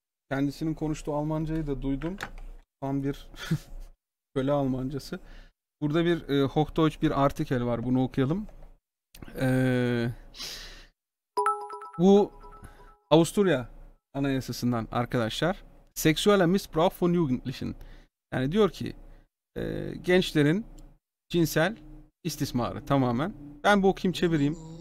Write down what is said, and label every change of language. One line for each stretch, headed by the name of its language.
Turkish: Kendisinin konuştuğu Almancayı da duydum. Tam bir köle Almancası. Burada bir Hochdeutsch bir artikel var. Bunu okuyalım. Bu Avusturya Anayasası'ndan arkadaşlar.
German: Sexueller Missbrauch von Jugendlichen.
Turkish: Yani diyor ki gençlerin cinsel istismarı tamamen. Ben bu okuyayım çevireyim.